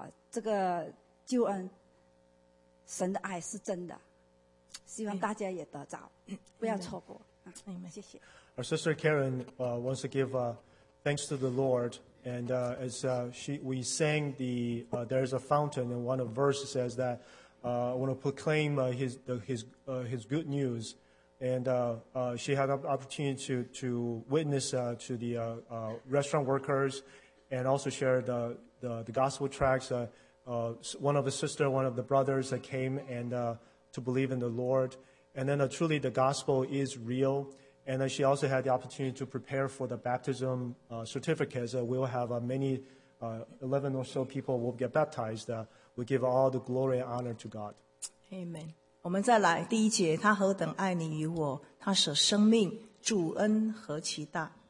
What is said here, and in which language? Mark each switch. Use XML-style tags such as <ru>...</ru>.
<zh>这个救恩，神的爱是真的，希望大家也得着，不要错过。谢谢。</zh> <en>Our sister Karen wants to give thanks to the Lord, and as we sang the "There's a Fountain," and one of the verses says that I want to proclaim his good news, and she had an opportunity to witness to the restaurant workers, and also share the gospel tracts. One of the sister, one of the brothers came and to believe in the Lord. And then truly the gospel is real. And she also had the opportunity to prepare for the baptism certificates. We'll have many, 11 or so people will get baptized. We give all the glory and honor to God. Amen.</en> <zh>我们再来第一节，他何等爱你与我，他舍生命，主恩何其大。</zh>